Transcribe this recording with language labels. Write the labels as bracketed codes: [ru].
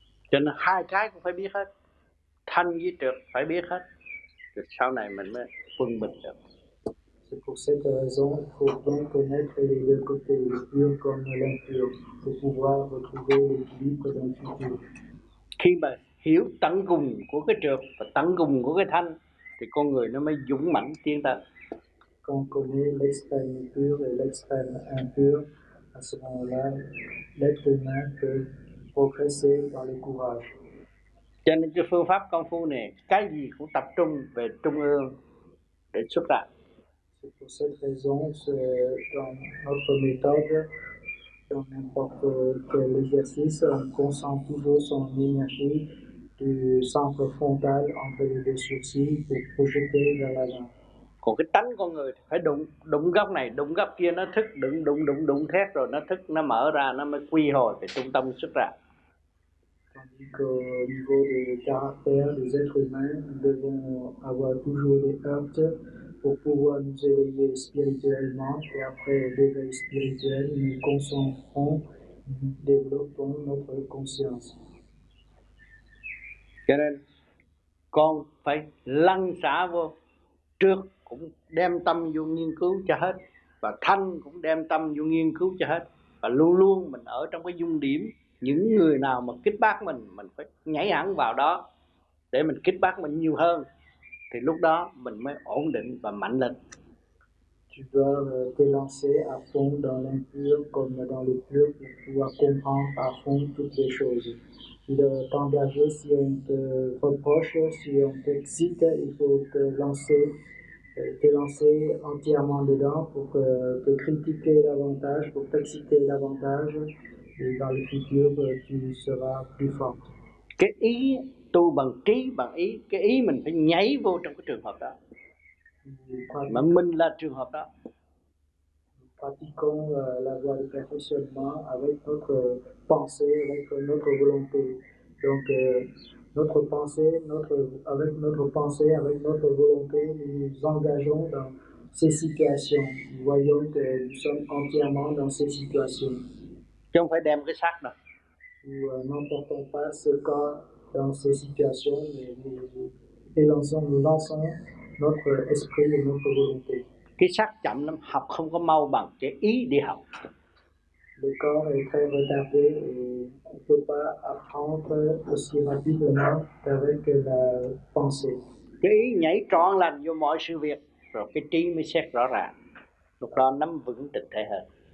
[vi] Cho nên hai cái cũng phải biết hết, thanh với trược phải biết hết, rồi sau này mình mới quân bình được. [fr] C'est pour cette raison qu'il faut bien connaître les deux côtés, le pur comme l'impur, pour pouvoir retrouver l'équilibre dans le futur. [vi] Khi mà hiểu tận cùng của cái trược và tận cùng của cái thanh, thì con người nó mới dũng mãnh tiến tới. [fr] Quand on connaît l'extrême pur et l'extrême impur, à ce moment-là, l'être humain peut progresser dans le courage. [vi] Cho nên cái phương pháp công phu này, cái gì cũng tập trung về trung ương để xuất ra. [fr] C'est pour cette raison que dans notre méthode, dans n'importe quel exercice, on concentre toujours son énergie du centre frontal entre les deux sourcils pour projeter vers l'avant. [vi] Còn cái tánh con người thì phải đụng đụng góc này, đụng góc kia, nó thức, đụng đụng đụng đụng thét rồi nó thức, nó mở ra, nó mới quy hồi về trung tâm xuất ra. [fr] Au niveau des caractères des êtres humains, nous devons avoir toujours des heurts pour pouvoir nous éveiller spirituellement. Et après l'éveil spirituel, nous concentrons, développons notre conscience. [vi] Cho nên, con phải lăn xả vô, trước cũng đem tâm vô nghiên cứu cho hết, và thanh cũng đem tâm vô nghiên cứu cho hết, và luôn luôn mình ở trong cái dung điểm. Những người nào mà kích bác mình phải nhảy hẳn vào đó để mình kích bác mình nhiều hơn, thì lúc đó mình mới ổn định và mạnh lên. [fr] Tu dois te lancer à fond dans l'impur comme dans le pur pour pouvoir comprendre à fond toutes les choses. Il faut t'engager si on te reproche, si on t'excite, il faut te lancer entièrement dedans pour te critiquer davantage, pour t'exciter davantage. Et dans le futur, tu seras plus fort. [vi] Cái ý tu bằng trí, bằng ý, cái ý mình phải nhảy vô trong cái trường hợp đó. Mà mình là trường hợp đó. [fr] Pratiquons la voie de perfectionnement avec notre pensée, avec notre volonté. Donc, avec notre pensée, avec notre volonté, nous engageons dans ces situations. Voyons que nous sommes entièrement dans ces situations. [vi] Chứ không phải đem cái xác đâu. [fr] Nous n'emportons pas ce corps dans ces situations, mais nous lançons notre esprit et notre volonté. [vi] Cái xác chậm lắm, học không có mau bằng cái ý đi học. [fr] Le corps est très retardé et on ne peut pas apprendre aussi rapidement qu'avec la pensée. [vi] Cái ý nhảy trọn lành vô mọi sự việc, rồi cái trí mới xét rõ ràng. Lúc đó nắm vững tịch thể hơn.